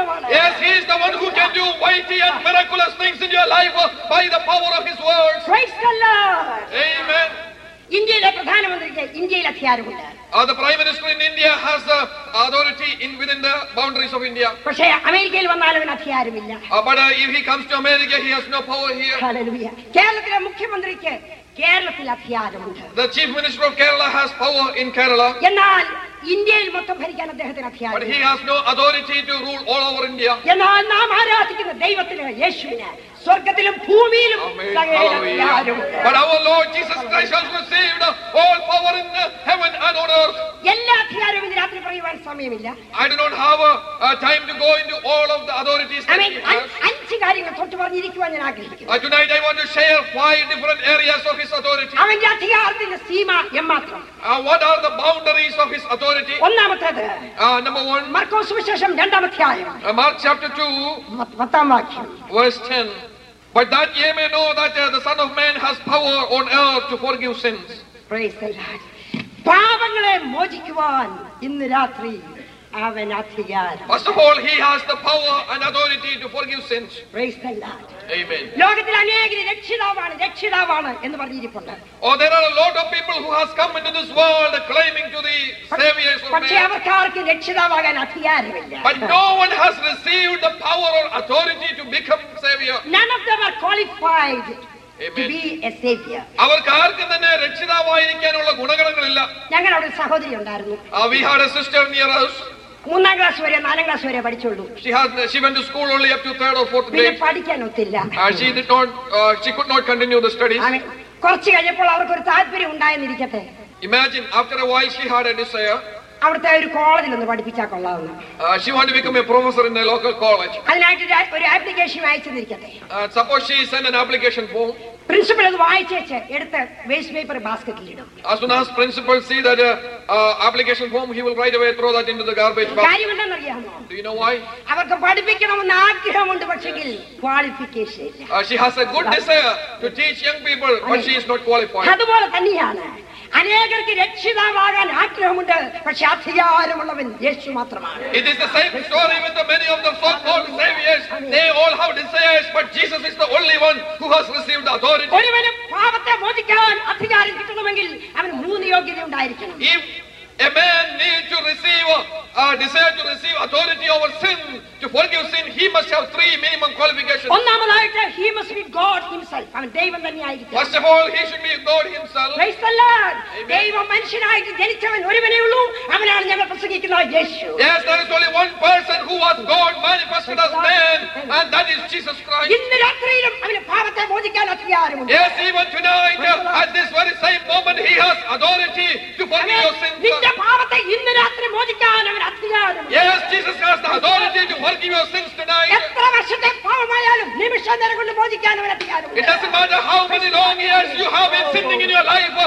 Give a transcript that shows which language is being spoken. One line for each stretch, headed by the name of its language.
English: Yes, he is the one who can do weighty and miraculous things in your life by the power of his words. Praise the Lord. Amen.
Malayalam: ഇന്ത്യയിലെ പ്രധാനമന്ത്രിക്ക് ഇന്ത്യയിൽ അധികാരമുണ്ട്
English: The Prime Minister in India has the authority in within the boundaries of India.
Malayalam: പക്ഷെ അമേരിക്കയിൽ വന്നാൽ അവന് അധികാരമില്ല.
English: But if he comes to America, he has no power here. Hallelujah.
Malayalam: കേരളത്തിലെ മുഖ്യമന്ത്രിക്ക് കേരളത്തിൽ അധികാരമുണ്ട്.
English: The Chief Minister of Kerala has power in Kerala.
Malayalam: എന്നാൽ ഇന്ത്യയിൽ മൊത്തം ഭരിക്കാൻ അദ്ദേഹത്തിന് അധികാരമില്ല.
English: But he has no authority to rule all over India.
Malayalam: എന്നാൽ നാം ആരാധിക്കുന്ന ദൈവത്തിന് യേശുവിനെ സ്വർഗ്ഗത്തിലും ഭൂമിയിലും
English: But our Lord Jesus Christ has received all power in heaven and on earth.
Malayalam: എല്ലാ അധികാരവും ഇന്ന് രാത്രി പറയുവാൻ സമയമില്ല.
English: I do not have time to go into all of the authorities.
Malayalam: അഞ്ച് കാര്യങ്ങൾ തൊട്ട് പറഞ്ഞിരിക്കുവാൻ ഞാൻ ആഗ്രഹിക്കുന്നു.
English: Tonight I want to share five different areas of his authority.
Malayalam: അവന്റെ അധികാരത്തിന്റെ Seema എമാത്രം.
English: What are the boundaries of his authority?
Malayalam: ഒന്നാമത്തേത്.
English: Number one.
Malayalam: മർക്കോസ് സുവിശേഷം രണ്ടാം അധ്യായം.
English: Mark chapter 2.
Malayalam: പത്താം വാക്യം.
English: Verse 10. But that ye may know that the Son of Man has power on earth to forgive sins. Praise the Lord.
Malayalam: പാപങ്ങളെ മോചിക്കുവാൻ ഇന്ന് രാത്രി അവൻ അധികാരം.
English: First of all, he has the power and authority to forgive sins. Praise the Lord. Amen.
Malayalam: ലോകത്തിൽ അനേകർ രക്ഷിതാവാണ് രക്ഷിതാവാണ് എന്ന് പറഞ്ഞിരിപ്പുണ്ട്.
English: Oh, there are a lot of people who has come into this world claiming to the saviors of man.
Malayalam: പക്ഷേ അവർക്ക് രക്ഷിതാവാകാൻ അധികാരമില്ല.
English: But no one has received the power or authority to become savior. None of them are qualified. Amen. To be a savior.
Malayalam: അവർക്കാർക്കും തന്നെ രക്ഷിതാവായിരിക്കാനുള്ള ഗുണഗണങ്ങളില്ല. ഞങ്ങളുടെ ഒരു സഹോദരി ഉണ്ടായിരുന്നു.
English: We had a sister near us.
Malayalam: മൂന്നാം class വരെ നാലാം ക്ലാസ് വരെ പഠിച്ചുള്ളൂ.
English: She went to school only up to third or fourth grade.
Malayalam: പിന്നെ പഠിക്കാൻ ഒത്തില്ല.
English: She could not continue the studies.
Malayalam: അമ്മ കുറച്ച് കഴിഞ്ഞപ്പോൾ അവർക്ക് ഒരു താല്പര്യം ഉണ്ടായിരിക്കട്ടെ.
English: Imagine after a while she had a desire.
Malayalam: അവിടുത്തെ ഒരു കോളേജിൽ ഒന്ന് പഠിപ്പിച്ചാൽ കൊള്ളാവുന്നു.
English: She wanted to become a professor in the local college.
Malayalam: അതിനായിട്ട് ഒരു application അയച്ചിരിക്കട്ടെ.
English: Suppose she sent an application form.
Malayalam: Principal അത് വായിച്ചേച്ച് എടുത്ത് വേസ്റ്റ് പേപ്പർ ബാസ്കറ്റിൽ ഇടും.
English: As soon as principal see that application form, he will right away throw that into the garbage basket.
Malayalam: കാര്യമെന്താണെന്ന് അറിയാമോ?
English: Do you know why?
Malayalam: അവർക്ക് പഠിപ്പിക്കണമെന്ന് ആഗ്രഹമുണ്ട് പക്ഷെങ്കിൽ qualification ഇല്ല.
English: She has a good desire to teach young people, but she is not qualified.
Malayalam: അതുപോലെ തന്നെയാണ് അനേകർക്ക് രക്ഷിതാവാകാൻ ആഗ്രഹമുണ്ട് പക്ഷേ അധികാരമുള്ളവൻ യേശു മാത്രമാണ്.
English: It is the same story with the many of the so-called saviors. They all have desires, but Jesus is the only one who has received the authority.
Malayalam: ഒരുവനും പാപത്തെ മോചിക്കാൻ അധികാരം കിട്ടണമെങ്കിൽ അവൻ മൂന്ന് യോഗ്യത ഉണ്ടായിരിക്കണം.
English: If a man need to receive desire to receive authority over sin to forgive sin, he must have three minimum qualifications.
Malayalam: ഒന്നാമതായിട്ട്
English: he must be God himself.
Malayalam: അവൻ ദൈവം തന്നെയായിരിക്കണം.
English: First of all, he should be God himself. Praise the Lord.
Malayalam: ദൈവം മനുഷ്യനായിട്ട് ജനിച്ചവൻ ഒരുവനേ ഉള്ളൂ. അവനാണ് ഞങ്ങൾ പ്രസംഗിക്കുന്ന യേശു.
English: Yes, there is only one person who was God manifested as man, and that is Jesus Christ.
Malayalam: ഇന്ന് രാത്രിയിലും അവന് പാപത്തെ മോചിക്കാൻ അധികാരമുണ്ട്.
English: Yes, even tonight at this very same moment he has authority to forgive your sins.
Malayalam: നിന്റെ പാപത്തെ ഇന്ന് രാത്രി മോചിക്കാൻ അവൻ അധികാരമുണ്ട്.
English: Yes, Jesus has the authority to forgive your sins tonight.
Malayalam: എത്ര വർഷത്തെ പാപമായാലും നിമിഷ
English: It doesn't matter how many long years you have been sinning in your life.